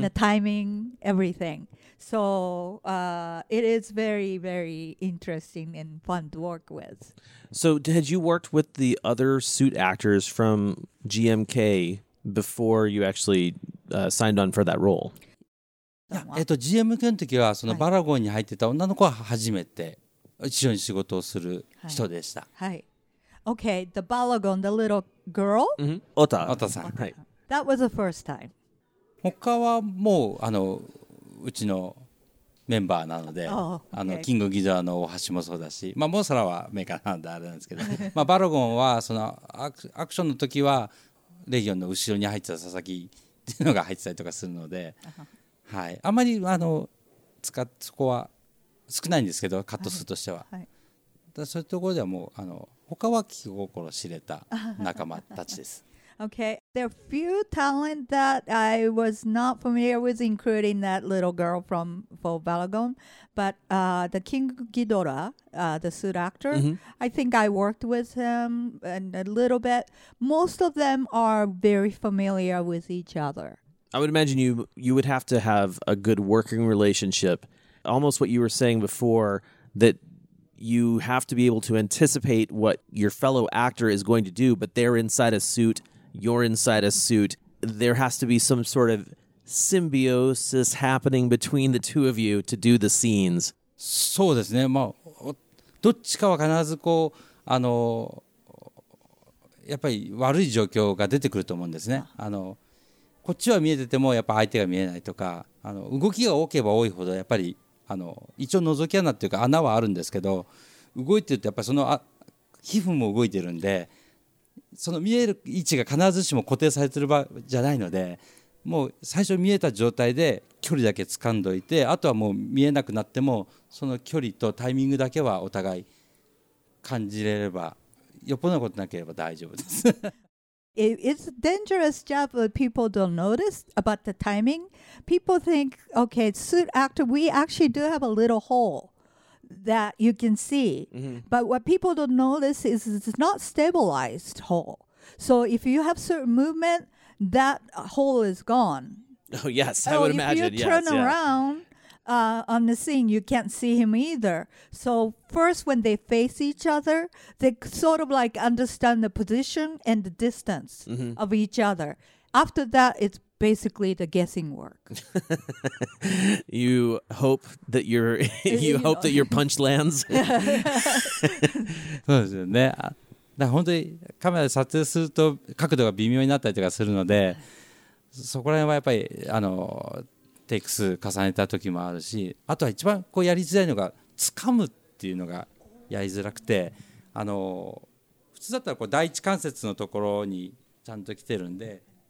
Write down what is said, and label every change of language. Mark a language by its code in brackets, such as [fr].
[en] the timing, everything. So it is very, very interesting and fun to work with. So had you worked with the other suit actors from GMK before you actually signed on for that role? [ja] GMK の時はそのバラゴンに入ってた女の子は初めて一緒に仕事をする人でした。はい。 [en] Okay, the Balagon, the little girl? Mm-hmm. Ota. Ota-san. Ota. That was the first time. [ja] 他はもう、あの、うちのメンバーなので、 [en] oh, okay. [ja] あの、キングギドラの大橋もそうだし、まあ、モーサラはメーカーなんであれなんですけど、まあ、バロゴンは、その、アクションの時は、レギオンの後ろに入ってた佐々木っていうのが入ってたりとかするので、 [en] uh-huh. [ja] はい。あんまり、あの、そこは少ないんですけど、カット数としては。はい、だそういうところではもう、あの、他は気心知れた仲間たちです。 [en] Okay. There are a few talent that I was not familiar with, including that little girl from for Balagon. But the King Ghidorah, the suit actor, mm-hmm. I think I worked with him and a little bit. Most of them are very familiar with each other. I would imagine you would have to have a good working relationship. Almost what you were saying before, that you have to be able to anticipate what your fellow actor is going to do, but they're inside a suit, you're inside a suit. There has to be some sort of symbiosis happening between the two of you to do the scenes. [ja] そうですね。まあ、どっちかは必ずこう、あの、やっぱり悪い状況が出てくると思うんですね。あの、こっちは見えてても、やっぱ相手が見えないとか、あの、動きが多ければ多いほど、やっぱり、あの一応覗き穴っていうか穴はあるんですけど、動いてるとやっぱりその皮膚も動いてるんで、その見える位置が必ずしも固定されてる場じゃないので、もう最初見えた状態で距離だけ掴んどいて、あとはもう見えなくなってもその距離とタイミングだけはお互い感じれれば、よっぽどのことなければ大丈夫です。 [en] It's a dangerous job that people don't notice about the timing. People think, okay, suit actor, we actually do have a little hole that you can see. Mm-hmm. But what people don't notice is it's not stabilized hole. So if you have certain movement, that hole is gone. Oh, yes, so I would imagine. If you turn around, on the scene, you can't see him either. So first, when they face each other, they sort of like understand the position and the distance mm-hmm. of each other. After that, it's basically the guessing work. You hope that your you hope know. That your punch lands. [ja] そうですよね。だ本当にカメラで撮影すると角度が微妙になったりとかするので、そこら辺はやっぱりあのテイク数重ねた時もあるし、あとは一番こうやりづらいのが掴むっていうのがやりづらくて、あの普通だったらこう第一関節のところにちゃんと来てるんで。